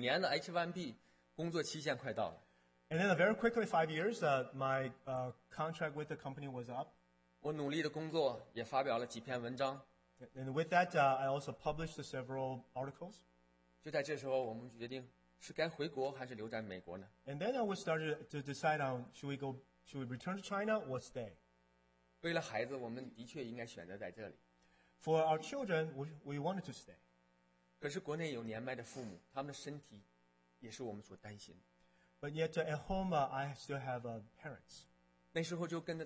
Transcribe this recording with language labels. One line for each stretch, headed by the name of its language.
Chinese: 很快三年过去了，H1B快到，5年了，H1B工作期限快到了。
English: And then very quickly 5 years, my contract with the company was up.
Chinese: 我努力的工作也发表了几篇文章。
English: And with that, I also published several articles.
Chinese: 就在这时候，我们决定是该回国还是留在美国呢？
English: And then we started to decide on should we return to China or stay.
Chinese: 为了孩子，我们的确应该选择在这里。
English: For our children, we wanted to stay.
Chinese: 可是国内有年迈的父母，他们的身体也是我们所担心的。
English: But yet at home, I still have parents.